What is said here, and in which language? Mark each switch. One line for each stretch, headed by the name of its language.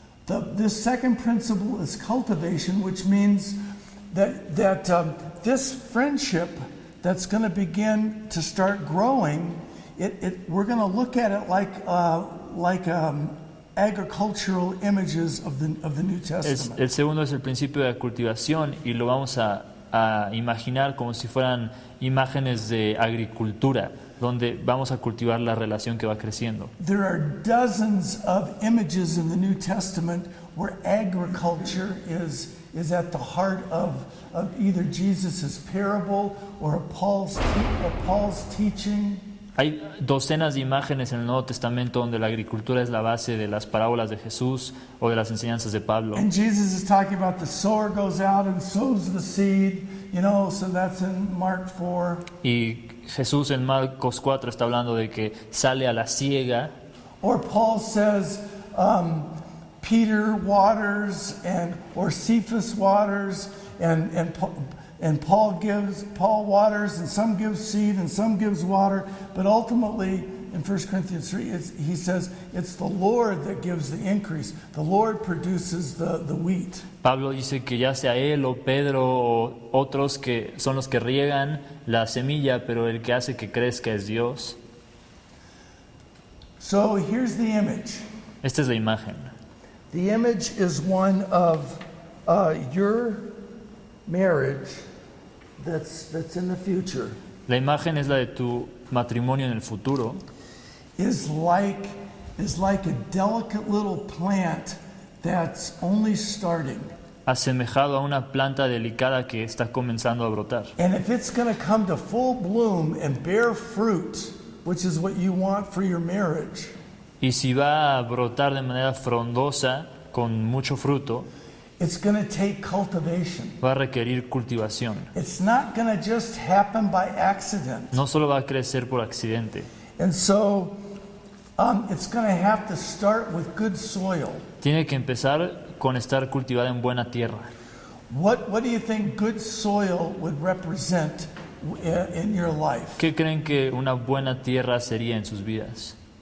English: The second principle is cultivation, which means that this friendship that's going to begin to start growing, it we're going to look at it like agricultural images of the New Testament.
Spanish: El segundo es el principio de cultivación y lo vamos a imaginar como si fueran imágenes de agricultura, donde vamos a cultivar la relación que va creciendo.
English: There are dozens of images in the New Testament where agriculture is at the heart of either Jesus's parable or Paul's teaching.
Spanish: Hay docenas de imágenes en el Nuevo Testamento donde la agricultura es la base de las parábolas de Jesús o de las enseñanzas de Pablo.
English: And Jesus is talking about the sower goes out and sows the seed, you know, so that's in Mark 4.
Spanish: Y Jesús en Marcos 4 está hablando de que sale a la siega.
English: Or Paul says Peter waters or Cephas waters and Paul waters and some gives seed and some gives water, but ultimately in 1 Corinthians 3 he says it's the Lord that gives the increase. The Lord produces the wheat.
Spanish: Pablo dice que ya sea él o Pedro o otros que son los que riegan la semilla, pero el que hace que crezca es Dios.
English: So here's the image.
Spanish: Esta es la imagen.
English: The image is one of your marriage that's in the future.
Spanish: La imagen es la de tu matrimonio en el futuro.
English: Is like a delicate little plant that's only starting.
Spanish: Asemejado a una planta delicada que está comenzando a brotar.
English: And if it's going to come to full bloom and bear fruit, which is what you want for your marriage.
Spanish: Y si va a brotar de manera frondosa con mucho fruto,
English: it's going to take cultivation.
Spanish: Va a requerir cultivación.
English: It's not going to just happen by accident.
Spanish: No solo va a crecer por accidente.
English: And so it's going to have to start with good soil.
Spanish: Tiene que empezar con estar cultivada en buena tierra.
English: What do you think good soil would represent in your life?
Spanish: ¿Qué creen que una buena tierra sería en sus vidas?